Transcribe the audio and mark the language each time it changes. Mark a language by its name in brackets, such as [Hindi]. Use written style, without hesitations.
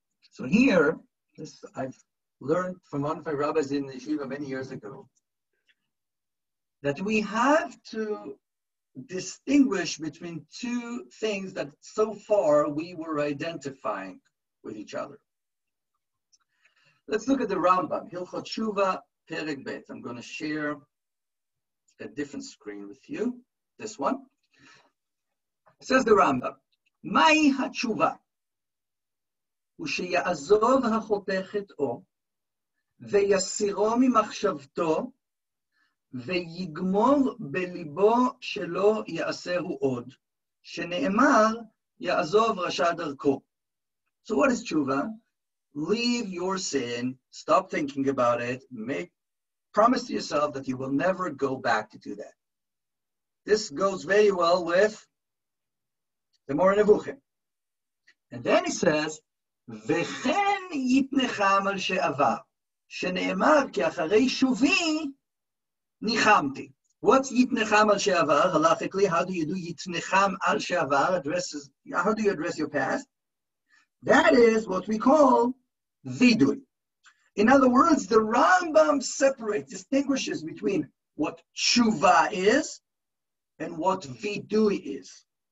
[English] So here, I've learned from one of my rabbis in the yeshiva many years ago, that we have to distinguish between two things that so far we were identifying with each other. Let's look at the Rambam, Hilchot Tshuva, Perek Bet. I'm going to share a different screen with you, this one. It says the Rambam, [Hebrew] Mai HaTshuva, Usheya'azov HaChotechet O, ויסירו ממחשבתו, ויגמור בליבו שלא יעשהו עוד, שנאמר, יעזוב רשע דרכו. [English] So what is תשובה? Leave your sin, stop thinking about it, promise to yourself that you will never go back to do that. This goes very well with the Mor Nevuchim. And then he says, [Hebrew] וכן יתנחם על שעבר. שנאמר כי אחרי שובי ניחמתי. [English] What's [Hebrew] יתנחם על שעבר? [English] Halachically, how do you do [Hebrew] יתנחם על שעבר? [English] How do you address your past? That is what we call vidui. In other words, the Rambam separates, distinguishes between what tshuva is and what vidui is.